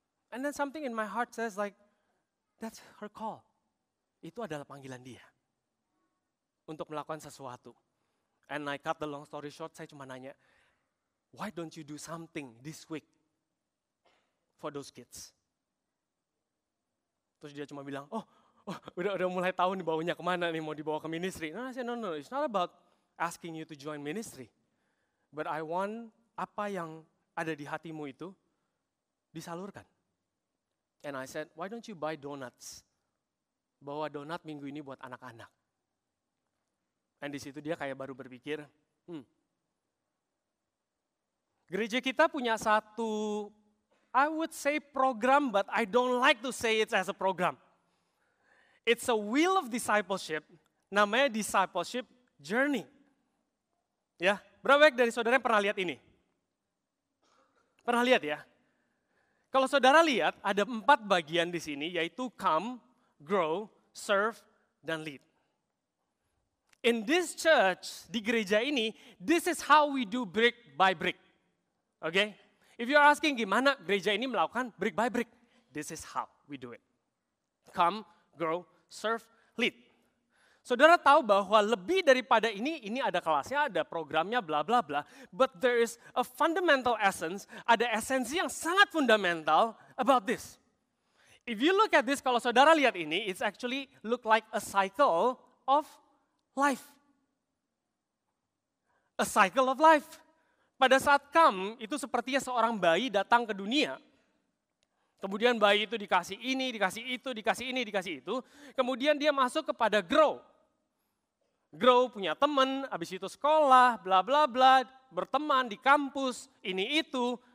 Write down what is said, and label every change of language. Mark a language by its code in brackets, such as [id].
[en] And then something in my heart says like, that's her call. [id] Itu adalah panggilan dia. Untuk melakukan sesuatu. [en] And I cut the long story short, [id] saya cuma nanya, [en] why don't you do something this week for those kids? [id] Terus dia cuma bilang, udah mulai tahu nih baunya kemana nih, mau dibawa ke ministry. [en] Nah, saya, no, it's not about asking you to join ministry. But I want [id] apa yang ada di hatimu itu disalurkan. [en] And I said, why don't you buy donuts? [id] Bawa donat minggu ini buat anak-anak. [en] And [id] di situ dia kayak baru berpikir, gereja kita punya satu, [en] I would say program, but I don't like to say it as a program. It's a wheel of discipleship, namanya discipleship journey. [id] Ya, berapa banyak dari saudara yang pernah lihat ini? Pernah lihat ya? Kalau saudara lihat, ada 4 bagian di sini, yaitu come, grow, serve, dan lead. [en] In this church, [id] di gereja ini, [en] this is how we do brick by brick. Okay? If you're asking [id] gimana gereja ini melakukan [en] brick by brick, this is how we do it. Come, grow, serve, lead. [id] Saudara tahu bahwa lebih daripada ini ada kelasnya, ada programnya, bla bla bla. [en] But there is a fundamental essence, [id] ada esensi yang sangat fundamental [en] about this. If you look at this, [id] kalau saudara lihat ini, [en] it's actually look like a cycle of life. A cycle of life. [id] Pada saat come, itu sepertinya seorang bayi datang ke dunia. Kemudian bayi itu dikasih ini, dikasih itu, dikasih ini, dikasih itu. Kemudian dia masuk kepada grow. Grow punya teman, habis itu sekolah, bla bla bla, berteman di kampus, ini itu.